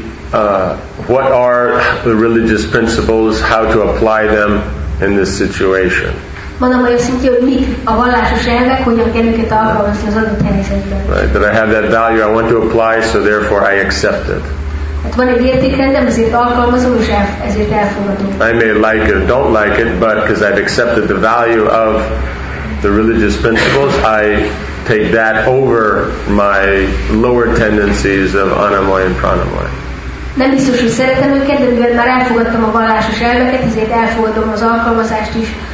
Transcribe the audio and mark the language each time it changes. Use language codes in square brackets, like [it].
[en] What are the religious principles, how to apply them in this situation. [hu] Manamaya szintje, hogy mik a vallásos elvek, hogyan kell őket alkalmazni az adott helyzetben. [en] Right, that I have that value, I want to apply, so therefore I accept it. [hu] Hát van egy értékrendem, ezért alkalmazom, és ezért elfogadom. [en] I may like it or don't like it, but because I've accepted the value of the religious principles, I take that over my lower tendencies of anamoya and pranamoya. [hu] Nem biztos, hogy szeretem őket, de mivel már elfogadtam a vallásos elveket, ezért elfogadom az alkalmazást is.